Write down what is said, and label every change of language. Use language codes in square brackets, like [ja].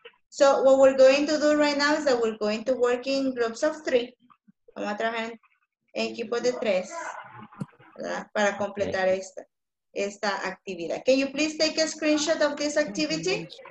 [en] So what we're going to do right now is that we're going to work in groups of three. [es] Vamos a trabajar en equipos de tres, ¿verdad? Para completar esta actividad. [en] Can you please take a screenshot of this activity?